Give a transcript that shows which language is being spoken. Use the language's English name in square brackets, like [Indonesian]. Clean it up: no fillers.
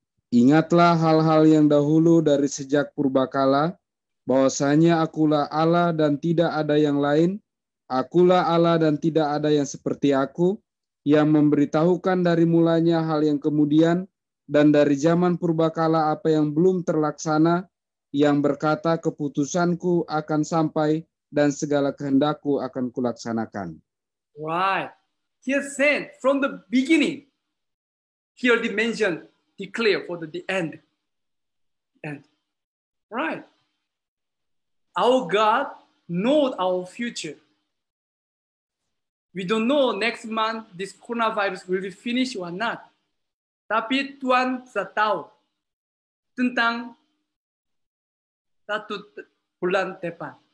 [Indonesian] Ingatlah hal-hal yang dahulu dari sejak purbakala, bahwasanya akulah Allah dan tidak ada yang lain, akulah Allah dan tidak ada yang seperti aku, yang memberitahukan dari mulanya hal yang kemudian, dan dari zaman purbakala apa yang belum terlaksana, yang berkata keputusanku akan sampai dan segala kehendakku akan kulaksanakan. [English] Right. He has said from the beginning, he already mentioned, declare for the end. And right. Our God knows our future. We don't know next month this coronavirus will be finished or not. [Indonesian] Tapi Tuhan sudah tahu tentang satu bulan depan.